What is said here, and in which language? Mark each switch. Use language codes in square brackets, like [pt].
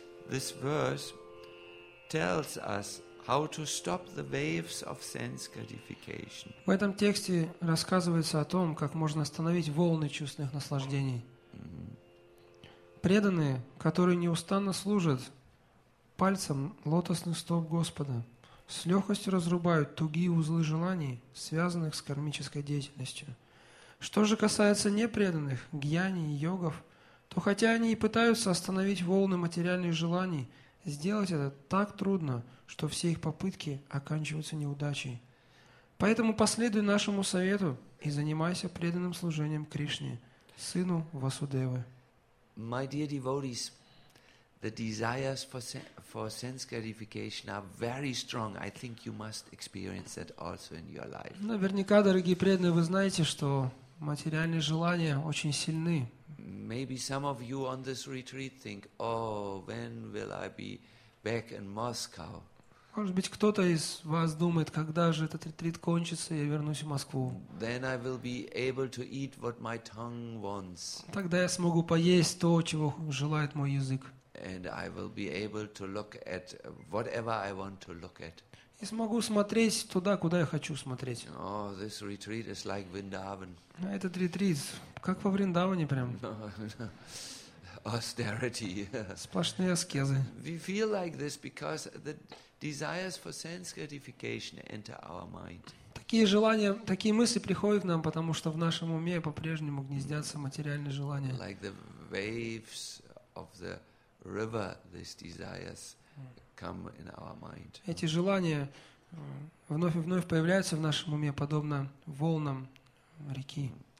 [en] This verse tells us how to stop the waves of sense gratification. [ru] В этом тексте рассказывается о том, как можно остановить волны чувственных наслаждений. Преданные, которые неустанно служат пальцем лотосных стоп Господа, с легкостью разрубают тугие узлы желаний, связанных с кармической деятельностью. Что же касается непреданных, гьяни и йогов, то хотя они и пытаются остановить волны материальных желаний, сделать это так трудно, что все их попытки оканчиваются неудачей. Поэтому последуй нашему совету и занимайся преданным служением Кришне, сыну Васудевы. [en] My dear devotees, the desires for sense gratification are very strong. I think you must experience that also in your life. [ru] Наверняка, дорогие преданные, вы знаете, что материальные желания очень сильны. [en] Maybe some of you on this retreat think, "Oh, when will I be back in Moscow?" [ru] Может быть, кто-то из вас думает, когда же этот ретрит кончится, и я вернусь в Москву. [en] Then I will be able to eat what my tongue wants. [ru] Тогда я смогу поесть то, чего желает мой язык. [en] And I will be able to look at whatever I want to look at. [ru] И смогу смотреть туда, куда я хочу смотреть. [en] Oh, this retreat is like Vrindavan. [ru] Этот ретрит, как во Вриндаване прям. [en] Austerity. [ru] Сплошные аскезы. [en] We feel like this because the desires for sense gratification enter our mind. [ru] Такие желания, такие мысли приходят к нам, потому что в нашем уме по-прежнему гнездятся материальные желания. [en] Like the waves of the river, these desires come in our mind. [ru] Эти желания вновь и вновь появляются в нашем уме, подобно волнам реки.